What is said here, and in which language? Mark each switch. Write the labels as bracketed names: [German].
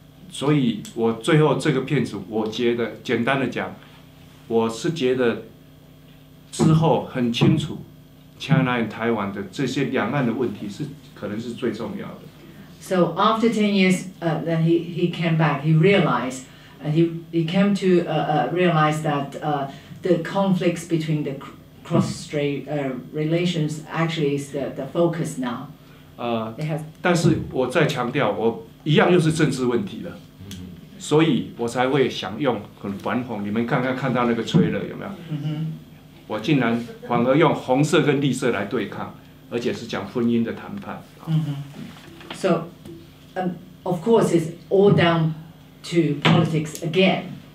[Chinese] 所以我最后这个片子，我觉得简单的讲，我是觉得之后很清楚 ， [English] China and Taiwan [Chinese] 的这些两岸的问题是可能是最重要的。 [English] So after 10 years, then he came back. He realized, and he came to realize that the conflicts between the cross-strait relations actually is the focus now. [Chinese] 但是我再强调，我一样又是政治问题了，所以我才会想用很反讽。你们刚刚看到那个吹了有没有？我竟然反而用红色跟绿色来对抗，而且是讲婚姻的谈判。 [English] So, of course, it's all down to politics again.